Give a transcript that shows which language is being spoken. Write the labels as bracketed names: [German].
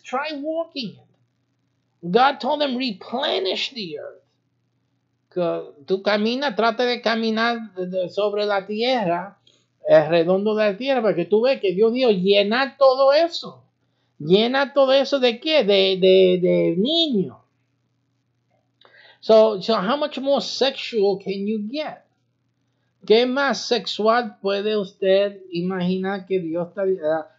[English] Try walking it. God told them, replenish the earth. [Spanish] Tú camina, trata de caminar sobre la tierra, el redondo de la tierra, porque tú ves que Dios dijo, llena todo eso. Llena todo eso de qué? De niño. [English] So how much more sexual can you get? [Spanish] ¿Qué más sexual puede usted imaginar que Dios está?